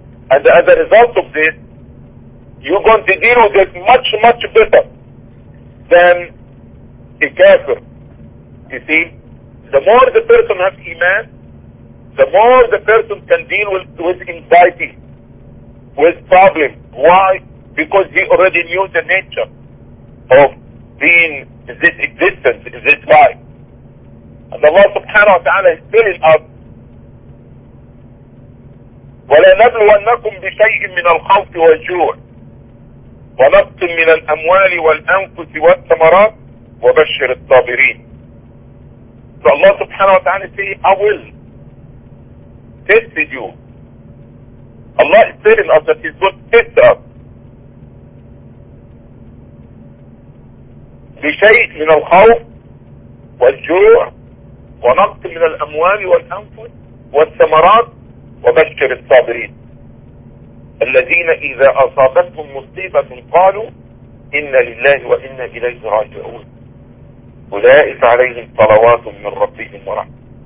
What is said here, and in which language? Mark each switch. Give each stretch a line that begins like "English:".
English: And as a result of this, you're going to deal with it much, much better than a kafir. You see, the more the person has iman, the more the person can deal with anxiety, with problem. Why? Because he already knew the nature of being this existence, this life. And Allah subhanahu wa ta'ala is telling us,
Arabic: وَلَنَبْلُوَنَّكُمْ بِشَيْءٍ مِّنَ الْخَوْفِ وَالْجُوعِ وَنَقْصٍ مِّنَ الْأَمْوَالِ وَالْأَنفُسِ وَالثَّمَرَاتِ وَبَشِّرِ الصَّابِرِينَ.
English: So Allah subhanahu wa ta'ala say, I will test you. Allah is telling us that He's going to test us.
Arabic: بِشَيْءٍ مِّنَ الْخَوْفِ وَالْجُوعِ وَنَقْصٍ مِّنَ الْأَمْوَالِ وَالْأَنفُسِ وَالثَّمَرَاتِ وبشر الصابرين الذين إذا أصابتهم مصيبة قالوا إنا لله وإنا إليه راجعون أولئك عليهم صلوات من ربهم ورحمة.